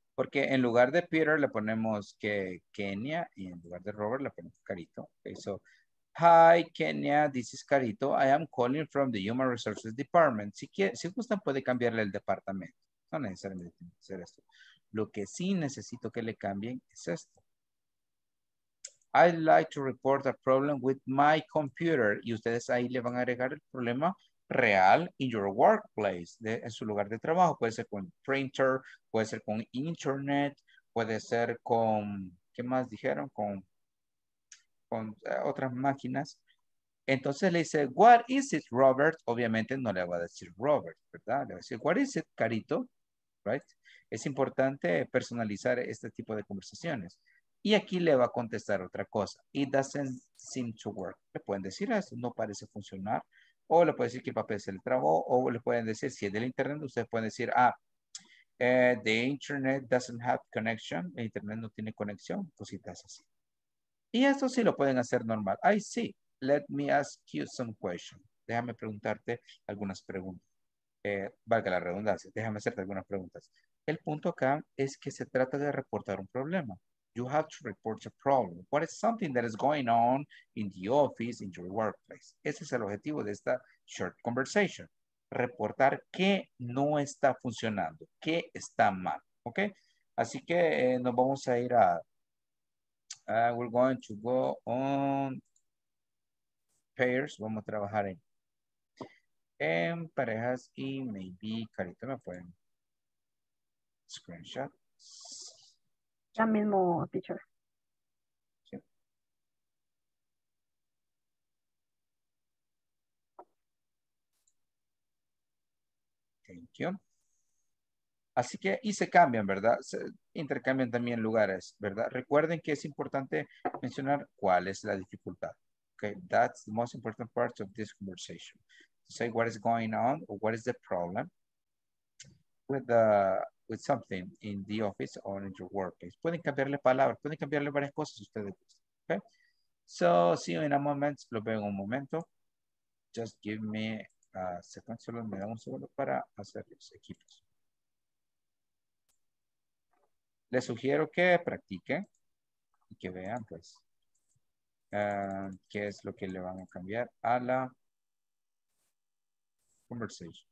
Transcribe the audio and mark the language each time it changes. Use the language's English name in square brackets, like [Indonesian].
[Spanish] Porque en lugar de Peter le ponemos que Kenya y en lugar de Robert le ponemos Carito, okay? [English] So, hi, Kenya, this is Carito. I am calling from the Human Resources Department. [Spanish] Si gustan, puede cambiarle el departamento. No necesariamente tiene que ser esto. Lo que sí necesito que le cambien es esto. [English] I'd like to report a problem with my computer. [Spanish] Y ustedes ahí le van a agregar el problema real [English] in your workplace, [Spanish] en su lugar de trabajo. Puede ser con printer, puede ser con internet, puede ser con, ¿qué más dijeron? Con otras máquinas. Entonces le dice, [English] what is it, Robert? [Spanish] Obviamente no le va a decir Robert, ¿verdad? Le va a decir, [English] what is it, Carito? Right? [Spanish] Es importante personalizar este tipo de conversaciones. Y aquí le va a contestar otra cosa. [English] It doesn't seem to work. [Spanish] Le pueden decir eso, no parece funcionar. O le pueden decir que el papel se le trabó. O le pueden decir, si es del internet, ustedes pueden decir, [English] the internet doesn't have connection. [Spanish] El internet no tiene conexión. Cositas así. Y eso sí lo pueden hacer normal. I see. [English] Let me ask you some questions. [Spanish] Déjame preguntarte algunas preguntas. Valga la redundancia. Déjame hacerte algunas preguntas. El punto acá es que se trata de reportar un problema. [English] You have to report a problem. What is something that is going on in the office, in your workplace? Ese es el objetivo de esta short conversation. Reportar qué no está funcionando, qué está mal. ¿Ok? [Spanish] Así que nos vamos a ir a... [English] we're going to go on pairs. [Spanish] Vamos a trabajar en parejas y maybe Carito me pueden screenshot. Ya mismo, teacher. Sí. Thank you. Así que, y se cambian, ¿verdad? Se intercambian también lugares, ¿verdad? Recuerden que es importante mencionar cuál es la dificultad. [English] Okay, that's the most important part of this conversation. Say what is going on, or what is the problem with something in the office or in your workplace. [Spanish] Pueden cambiarle palabras, pueden cambiarle varias cosas ustedes. [English] Okay, so see you in a moment. [Spanish] Lo veo en un momento. [English] Just give me a second. [Spanish] Solo me da un segundo para hacer los equipos. Les sugiero que practiquen y que vean, pues, qué es lo que le van a cambiar a la conversación.